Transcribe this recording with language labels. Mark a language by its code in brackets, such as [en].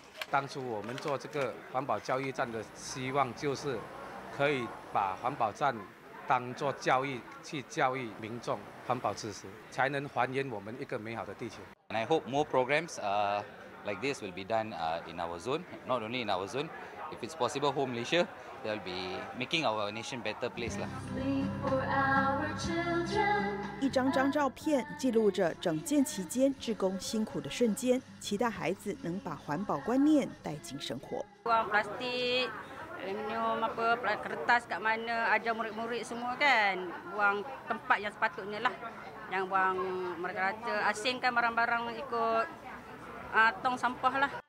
[zh] 当初我们做这个环保教育站的希望，就是可以把环保站当作教育，去教育民众环保知识，才能还原我们一个美好的地球。 [en] And I hope more programs like this will be done in our zone, not only in our zone. If it's possible, whole Malaysia, they'll be making our nation better place lah. Sleep for our children. [zh] 一张张照片记录着整建期间志工辛苦的瞬间，期待孩子能把环保观念带进生活。 [ms] Buang plastik, aluminium apa, kertas kat mana, ajar murid-murid semua kan, buang tempat yang sepatutnya lah, yang buang mereka rasa asingkan barang-barang ikut tong sampah lah.